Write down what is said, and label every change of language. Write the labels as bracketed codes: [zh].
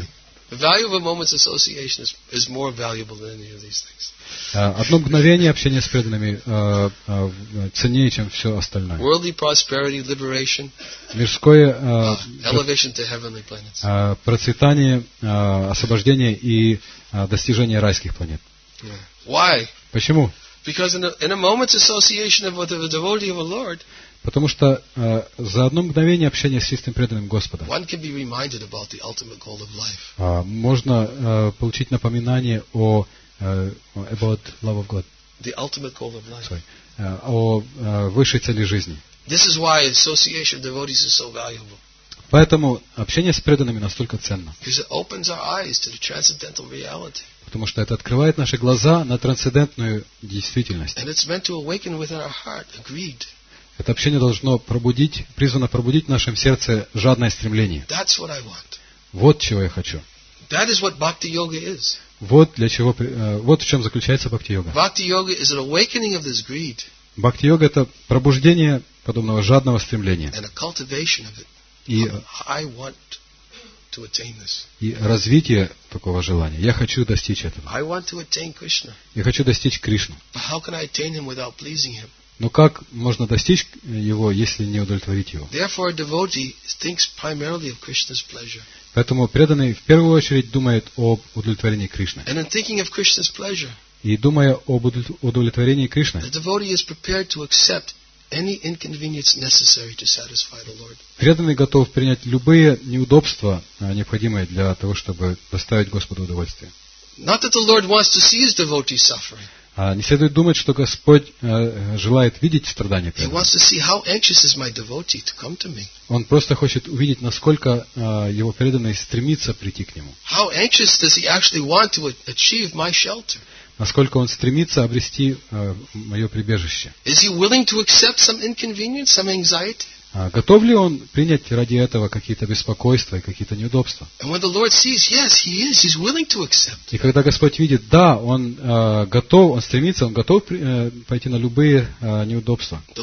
[en] Yeah. The value of a moment's association is more valuable than any of these things. [ru] Одно мгновение общения с преданными ценнее, чем все остальное. [en] Worldly prosperity, liberation. [ru] Мирское [en] elevation to heavenly planets. [ru] Процветание, освобождение и достижение райских планет. [en] Yeah. Why? [ru] Почему? [en] Because in a moment's association of the devotee of the Lord. [ru] Потому что за одно мгновение общения с чистым преданным Господа можно получить напоминание о [en] about love of God. The ultimate goal of life. Sorry. [ru] О высшей цели жизни. [en] This is why association of devotees is so valuable. [ru] Поэтому общение с преданными настолько ценно. [en] Because it opens our eyes to the transcendental reality. [ru] Потому что это открывает наши глаза на трансцендентную действительность. [en] And it's meant to awaken within our heart a greed. [ru] Это общение должно призвано пробудить в нашем сердце жадное стремление. [en] That's what I want. [ru] Вот чего я хочу. [en] That is what bhakti-yoga is. [ru] Вот в чем заключается бхакти-йога. [en] Bhakti-yoga is an awakening of this greed. [ru] Бхакти-йога – это пробуждение подобного жадного стремления. [en] And a cultivation of it. I want to attain this. [ru] И развитие такого желания. Я хочу достичь этого. [en] I want to attain Krishna. [ru] Я хочу достичь Кришну. [en] But how can I attain him without pleasing him? [ru] Но как можно достичь его, если не удовлетворить его? [en] Therefore, a devotee thinks primarily of Krishna's pleasure. [ru] Поэтому преданный в первую очередь думает об удовлетворении Кришны. [en] And in thinking of Krishna's pleasure, [ru] и думая об удовлетворении Кришны, [en] the devotee is prepared to accept any inconvenience necessary to satisfy the Lord. [ru] Преданный готов принять любые неудобства, необходимые для того, чтобы доставить Господу удовольствие. [en] Not that the Lord wants to see his devotee suffering. [ru] Не следует думать, что Господь желает видеть страдания преданных. [en] He wants to see how anxious is my devotee to come to me. [ru] Он просто хочет увидеть, насколько его преданный стремится прийти к нему. [en] How anxious does he actually want to achieve my shelter? [ru] Насколько он стремится обрести мое прибежище? [en] Is he willing to accept some inconvenience, some anxiety? [ru] Готов ли он принять ради этого какие-то беспокойства и какие-то неудобства? И когда Господь видит, да, он готов, он стремится, он готов пойти на любые неудобства.